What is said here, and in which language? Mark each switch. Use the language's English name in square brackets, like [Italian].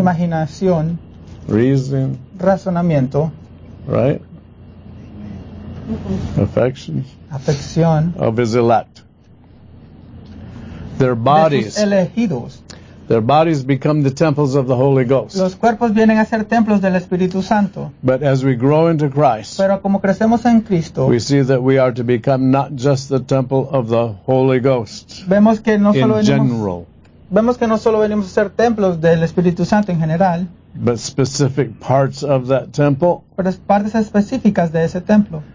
[Spanish] imaginación, [English] reason, [Spanish] razonamiento, [English] right? Affections. Affection. Of his elect. Their bodies. [Spanish] De sus elegidos. [English] Their bodies become the temples of the Holy Ghost. [Spanish] Los cuerpos vienen a ser templos del Espíritu Santo. [English] But as we grow into Christ, [Spanish] pero como crecemos en Cristo, [English] we see that we are to become not just the temple of the Holy Ghost. [Spanish] Vemos que no solo [English] in general. [Spanish] Vemos que no solo venimos a ser templos del Espíritu Santo en general, [English] but specific parts of that temple. [Spanish] Pero partes específicas de ese templo.